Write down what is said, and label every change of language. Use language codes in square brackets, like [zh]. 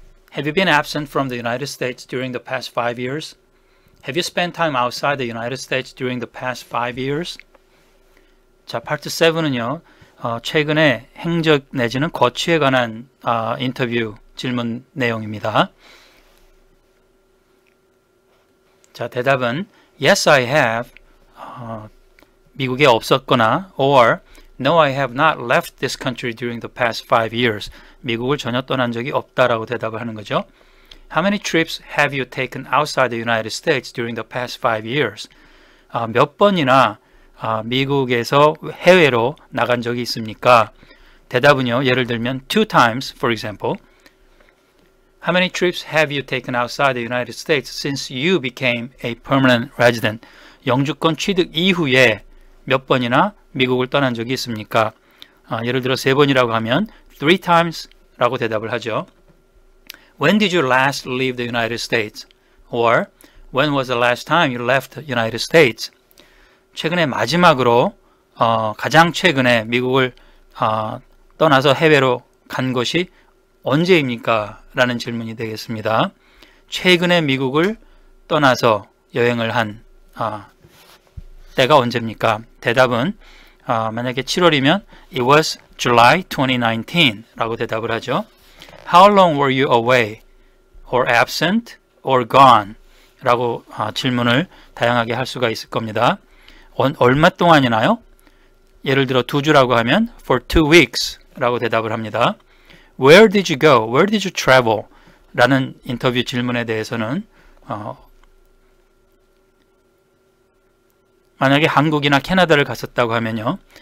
[en] Have you been absent from the United States during the past 5 years? Have you spent time outside the United States during the past 5 years? [ko] 자, 파트 7은요. 최근에 행적 내지는 거취에 관한 인터뷰 질문 내용입니다. 자, 대답은 [en] Yes, I have. [ko] 미국에 없었거나 [en] or No, I have not left this country during the past 5 years. [ko] 미국을 전혀 떠난 적이 없다라고 대답을 하는 거죠. [en] How many trips have you taken outside the United States during the past 5 years? [ko] 몇 번이나 미국에서 해외로 나간 적이 있습니까? 대답은요, 예를 들면 [en] two times, for example. How many trips have you taken outside the United States since you became a permanent resident? [ko] 영주권 취득 이후에 몇 번이나 미국을 떠난 적이 있습니까? 예를 들어 세 번이라고 하면 [en] three times [ko] 라고 대답을 하죠. [en] When did you last leave the United States? Or when was the last time you left the United States? [ko] 최근에 마지막으로 가장 최근에 미국을 떠나서 해외로 간 것이 언제입니까? 라는 질문이 되겠습니다. 최근에 미국을 떠나서 여행을 한 때가 언제입니까? 대답은 만약에 7월이면 [en] It was July 2019 [ko] 라고 대답을 하죠. [en] How long were you away or absent or gone? [ko] 라고 질문을 다양하게 할 수가 있을 겁니다. 얼마 동안이나요? 예를 들어 두 주라고 하면 [en] For 2 weeks [ko] 라고 대답을 합니다. [en] Where did you go? Where did you travel? [ko] 라는 인터뷰 질문에 대해서는 만약에 한국이나 캐나다를 갔었다고 하면요.